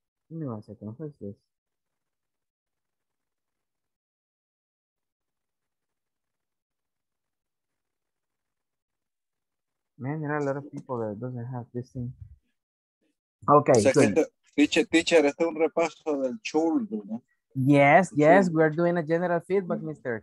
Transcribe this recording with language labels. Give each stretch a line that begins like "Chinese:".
English: Give me 1 second. What is this? Man, there are a lot of people that doesn't have this thing. Okay.
Spanish: Teacher, este es un repaso del chuldo, ¿no?
English: Yes, yes, we're doing a general feedback, mister.